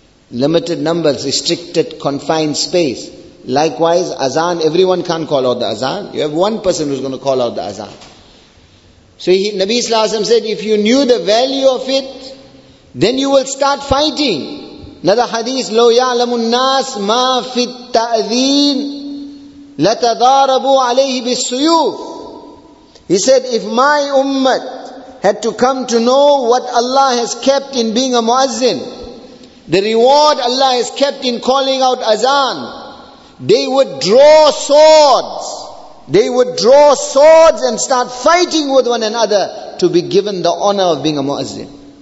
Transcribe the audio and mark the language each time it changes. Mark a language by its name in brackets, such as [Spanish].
[English] Limited numbers, restricted, confined space. Likewise, azan, everyone can't call out the azan. You have one person who's going to call out the azan. So Nabi sallallahu alayhi wa sallam said, if you knew the value of it, then you will start fighting. Another hadith, [Arabic] لو يعلم الناس ما في التأذين لتضاربوا عليه بالسيوف. [English] He said, if my ummah had to come to know what Allah has kept in being a muazzin, the reward Allah has kept in calling out azan, they would draw swords. They would draw swords and start fighting with one another to be given the honor of being a muazzin.